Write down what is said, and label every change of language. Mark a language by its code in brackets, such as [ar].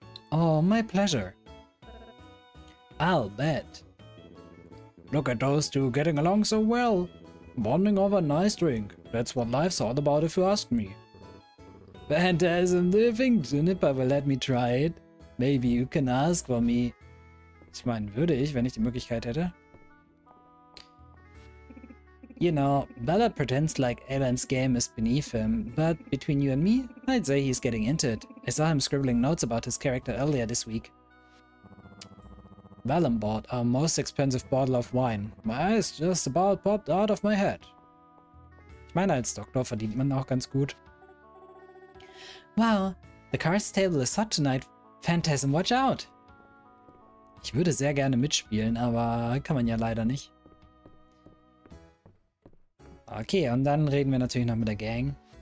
[en] Oh, my pleasure. I'll bet. Look at those two getting along so well. Bonding over a nice drink. That's what life's all about if you ask me. Phantasm, do you think Juniper will let me try it? Maybe you can ask for me. [de] Ich meine, würde ich, wenn ich die Möglichkeit hätte? [en] You know, Bella pretends like Alan's game is beneath him, but between you and me, I'd say he's getting into it. I saw him scribbling notes about his character earlier this week. Vellum bought our most expensive bottle of wine. My eyes just about popped out of my head. [de] Ich meine, als Doktor verdient man auch ganz gut. [en] Wow, the cards table is hot tonight. Phantasm, watch out! [de] Ich würde sehr gerne mitspielen, aber kann man ja leider nicht. Okay, und dann reden wir natürlich noch mit der Gang.